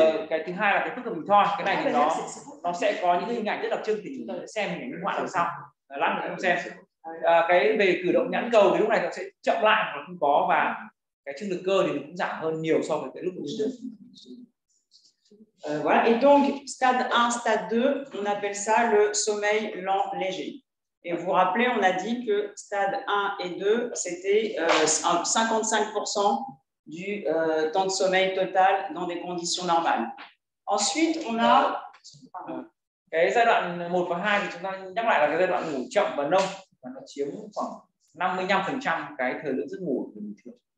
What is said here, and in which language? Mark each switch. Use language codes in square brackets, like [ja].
[vi] Cái thứ hai là cái phức hợp hình thoi. Cái này thì nó sẽ có những cái hình ảnh rất đặc trưng thì chúng ta sẽ xem hình ảnh minh họa đằng sau. Lát nữa chúng ta xem. Cái về cử động nhãn cầu thì lúc này nó sẽ chậm lại hoặc không có và cái chức lực cơ thì nó cũng giảm hơn nhiều so với cái lúc mình trước. [fr] Voilà. Et donc, stade 1, stade 2, on appelle ça le sommeil lent léger. Et vous vous rappelez, on a dit que stade 1 et 2, c'était 55% du temps de sommeil total dans des conditions normales. Ensuite, on a... [vi] Cái giai đoạn 1 và 2 thì chúng ta nhắc lại là cái giai đoạn ngủ chậm và nông và nó chiếm khoảng 55% cái thời lượng giấc ngủ bình thường.